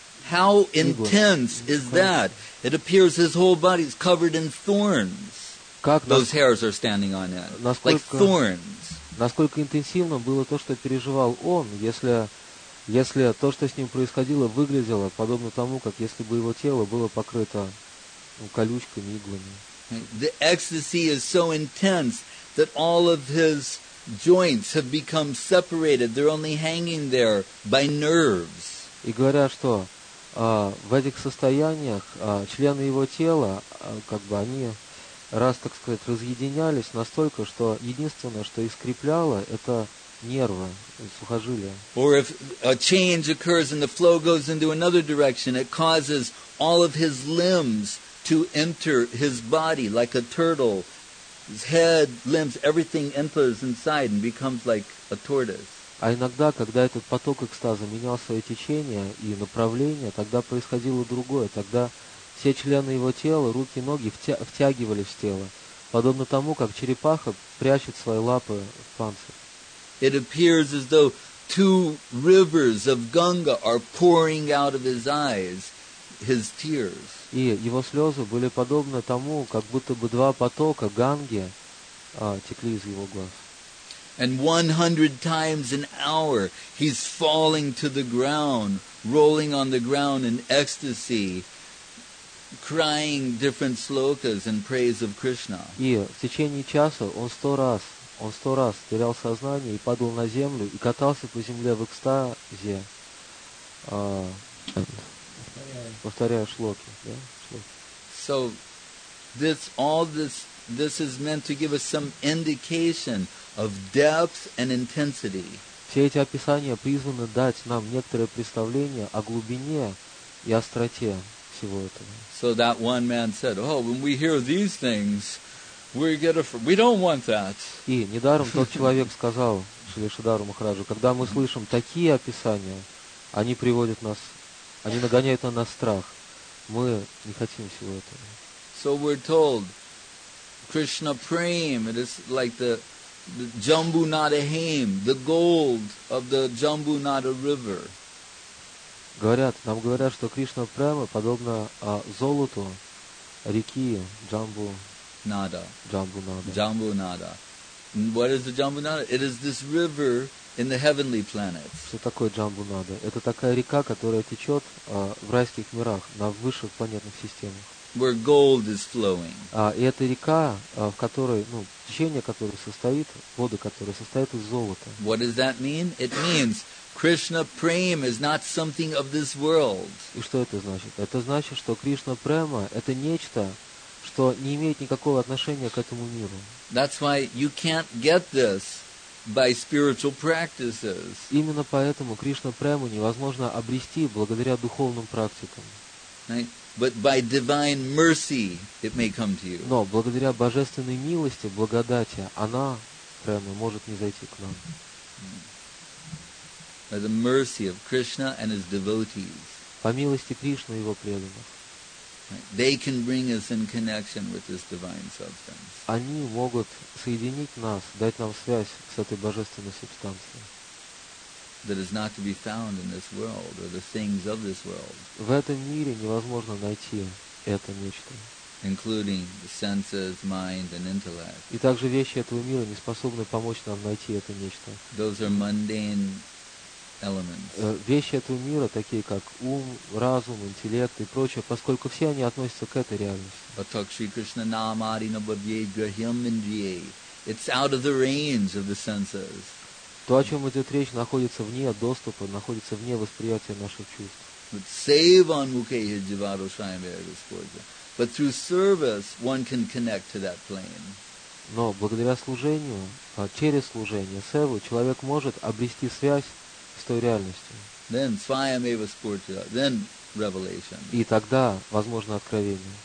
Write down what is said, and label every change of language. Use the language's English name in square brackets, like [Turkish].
[English] How intense is that? It appears his whole body is covered in thorns. Those hairs are standing on end, like thorns. [Russian] Насколько интенсивным было то, что переживал он, если то, что с ним происходило, выглядело подобно тому, как если бы его тело было покрыто колючками, иглами. [English] The ecstasy is so intense that all of his joints have become separated. They're only hanging there by nerves. [Russian] И говоря, что в этих состояниях члены его тела, как бы они, раз, так сказать, разъединялись настолько, что единственное, что их скрепляло, это нервы, сухожилия. [English] Or if a change occurs and the flow goes into another direction, it causes all of his limbs to enter his body like a turtle. His head, limbs, everything enters inside and becomes like a tortoise. [Russian] А иногда, когда этот поток экстаза менял свое течение и направление, тогда происходило другое. Тогда все члены его тела, руки, ноги втягивались в тело, подобно тому, как черепаха прячет свои лапы в панцирь. [English] It appears as though two rivers of Ganga are pouring out of his eyes, his tears. [Russian] И его слезы были подобны тому, как будто бы два потока Ганги текли из его глаз. [English] And 100 times an hour, he's falling to the ground, rolling on the ground in ecstasy, crying different slokas in praise of Krishna. [Russian] И в течение часа он сто раз терял сознание и падал на землю и катался по земле в экстазе, повторяя шлоки. [English] So, this is meant to give us some indication of depth and intensity. [Russian] Все эти описания призваны дать нам некоторое представление о глубине и остроте всего этого. [English] So that one man said, "Oh, when we hear these things, we don't want that." [Russian] И недаром тот человек сказал Шри Шридхару Махараджу, когда мы слышим такие описания, они нагоняют на нас страх. Мы не хотим всего этого. [English] So we're told Krishna Prem. It is like the Jambunada Haim, the gold of the Jambunada River. [Russian] Говорят, нам говорят, что Кришна Према подобна золоту реки Jambunada. Jambunada. [English] Jambunada. What is the Jambunada? It is this river in the heavenly planets. [Russian] Что такое Jambunada? Это такая река, которая течет в райских мирах, на высших планетных системах. [English] Where gold is flowing. [Russian] И это река, в которой, ну, течение которой состоит, воды которой состоят из золота. [English] What does that mean? It means Krishna Prem is not something of this world. [Russian] И что это значит? Это значит, что Кришна Према – это нечто, что не имеет никакого отношения к этому миру. [English] That's why you can't get this by spiritual practices. [Russian] Именно поэтому Кришна Прему невозможно обрести благодаря духовным практикам. [English] Right? But by divine mercy it may come to you. [Russian] Но благодаря божественной милости, благодати, она, Прему, может не зайти к нам. [English] By the mercy of Krishna and his devotees. [Russian] По милости Кришны и его преданных. [English] They can bring us in connection with this divine substance. [Russian] Они могут соединить нас, дать нам связь с этой божественной субстанцией. [English] That is not to be found in this world or the things of this world. [Russian] В этом мире невозможно найти это нечто. [English] Including the senses, mind, and intellect. [Russian] И также вещи этого мира не способны помочь нам найти это нечто. [English] Those are mundane elements. [Russian] Вещи этого мира, такие как ум, разум, интеллект и прочее, поскольку все они относятся к этой реальности. [English] It's out of the range of the senses. [Russian] То, о чем идет речь, находится вне доступа, находится вне восприятия наших чувств. But save on mukhe jivaro shayamayagaspoja. [English] But through service one can connect to that plane. [Russian] Но благодаря служению, через служение, севу, человек может обрести связь с той реальностью. И тогда возможно откровение.